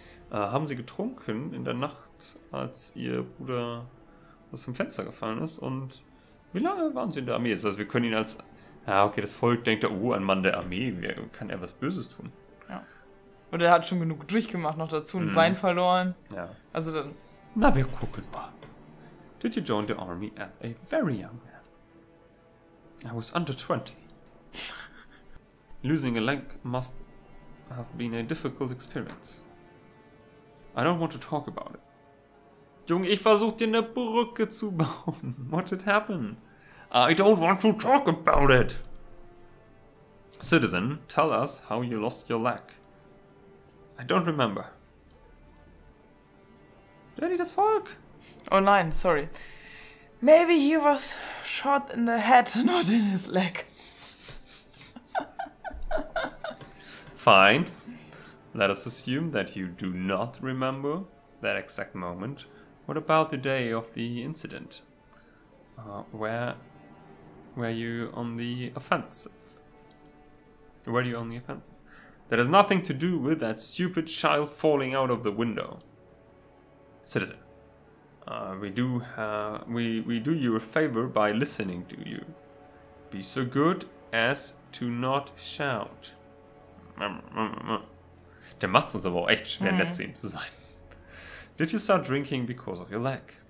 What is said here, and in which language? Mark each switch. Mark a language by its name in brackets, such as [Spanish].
[German] Haben sie getrunken in der Nacht, als ihr Bruder aus dem Fenster gefallen ist? Und wie lange waren sie in der Armee? Das heißt, wir können ihn als. Ja, okay, das Volk denkt, oh, ein Mann der Armee, wer kann er was Böses tun? Ja. Und er hat schon genug durchgemacht noch dazu, ein Bein verloren. Ja. Also dann. Na, wir gucken mal. [English] Did you join the army at a very young man? I was under 20. Losing a leg must have been a difficult experience. I don't want to talk about it. [German] Junge, ich versuch dir eine Brücke zu bauen. [English] What did happen? I don't want to talk about it. Citizen, tell us how you lost your leg. I don't remember. [German] Danny, das Volk. Oh nein, sorry. [English] Maybe he was shot in the head, not in his leg. Fine. Let us assume that you do not remember that exact moment. What about the day of the incident? Were you on the offensive? Were you on the offensive? That has nothing to do with that stupid child falling out of the window. Citizen, we do you a favor by listening to you. Be so good as to not shout. [German] Der macht's uns aber auch echt schwer, nett zu ihm zu sein. [English] Did you start drinking because of your leg?